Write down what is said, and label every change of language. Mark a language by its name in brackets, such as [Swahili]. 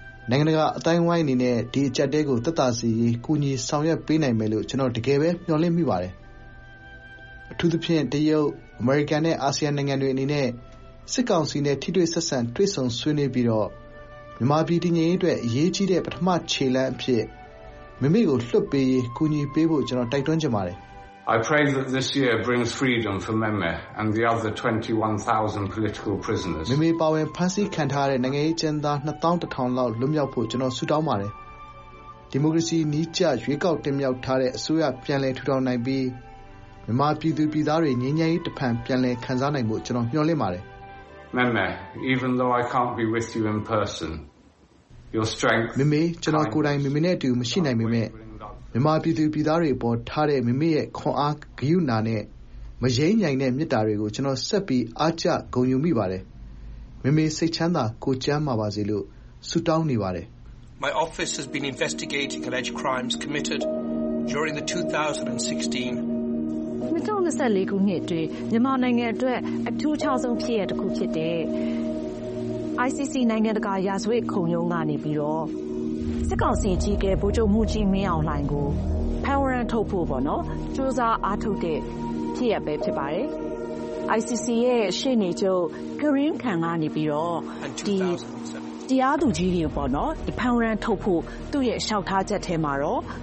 [Burmese] နိုင်ငံကအတိုင်းဝိုင်းအနေနဲ့ဒီအချက်တဲကိုတက်တာစီရင်ကူညီဆောင်ရွက်ပေးနိုင်မယ်လို့ကျွန်တော်တကယ်ပဲမျှော်လင့်မိပါတယ်။အထူးသဖြင့်တရုတ်၊အမေရိကန်နဲ့အာဆီယံနိုင်ငံတွေအနေနဲ့စစ်ကောင်စီနဲ့ထိတွေ့ဆက်ဆံတွေ့ဆုံဆွေးနွေးပြီးတော့မြန်မာပြည်တည်ငြိမ်ရေးအတွက်အရေးကြီးတဲ့ပထမခြေလှမ်းအဖြစ်မိမိကိုလွှတ်ပေးရင်ကူညီပေးဖို့ကျွန်တော်တိုက်တွန်းချင်ပါတယ်။ [English] I pray that this year brings freedom for Meme and the other 21,000 political prisoners. [Burmese] မိမိပါဝင်ဖမ်းဆီးခံထားတဲ့နိုင်ငံရေးကျဉ်းသား 2,000 လောက်လွတ်မြောက်ဖို့ကျွန်တော်ဆုတောင်းပါတယ်။ဒီမိုကရေစီနီးကျရွေးကောက်တင်မြောက်ထားတဲ့အစိုးရပြန်လည်ထူထောင်နိုင်ပြီးမြန်မာပြည်သူပြည်သားတွေငြိမ်းချမ်းရေးတစ်ဖန်ပြန်လည်ခံစားနိုင်ဖို့ကျွန်တော်မျှော်လင့်ပါတယ် [English] ။ Meme, even though I can't be with you in person, your strength. [Burmese] မိမိကျွန်တော်ကိုယ်တိုင်မိမိနဲ့အတူမရှိနိုင်ပေမဲ့မြမပြည်သူပြည်သားတွေပေါ်ထားတဲ့မိမိရဲ့ခွန်အားဂရုဏာနဲ့မရင်းညိုင်တဲ့မေတ္တာတွေကိုကျွန်တော်ဆက်ပြီးအားကျဂုဏ်ယူမိပါတယ်။မိမိစိတ်ချမ်းသာကိုကျမ်းမာပါစေလို့ဆုတောင်းနေပါတယ် [English] ။ My office has been investigating alleged crimes committed during the 2016 [Burmese] 2024ခုနှစ်အတွင်းမြမနိုင်ငံအတွက်အထူးခြောက်ဆုံးဖြစ်ရတခုဖြစ်တဲ့ ICC နိုင်ငံတကာရာဇဝတ်ခုံရုံးကနေပြီးတော့စစ်ကောင်စီကြီးကဗိုလ်ချုပ်မှုကြီးမင်းအောင်လှိုင်ကိုဖမ်းဝရန်ထုတ်ဖို့ပေါ့နော်စူးစမ်းအားထုတ်တဲ့ဖြစ်ရပဲဖြစ်ပါတယ် ICC ရဲ့ရှေ့နေချုပ်ဂရင်းခန်ကနေပြီးတော့ဒီတရားသူကြီးတွေပေါ့နော်ဖမ်းဝရန်ထုတ်ဖို့သူ့ရဲ့လျှောက်ထားချက်ထဲမှာတော့